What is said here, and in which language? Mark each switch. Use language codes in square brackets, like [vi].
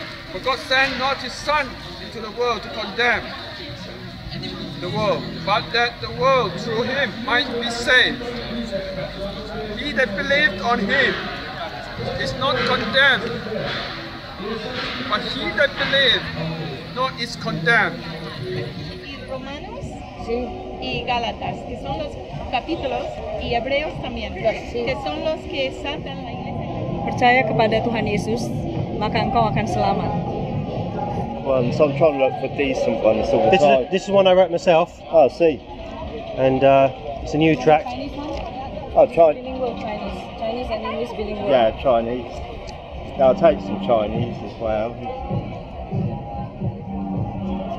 [en] For God sent not his Son into the world to condemn the world, but that the world through him might be saved. He that believed on him is not condemned, but he that believed not is condemned. [es] Y Romanos sí. Y Gálatas, que son los capítulos, y Hebreos también, sí. Que son los que saltan la iglesia. [id] Percaya kepada Tuhan Yesus, maka engkau akan selamat. [en] Well, so I'm trying to look for decent ones all the time. This is one I wrote myself. Oh, I see. And it's a new track. Oh, Chinese. Chinese and English bilingual. Yeah, Chinese. I'll take some Chinese as well.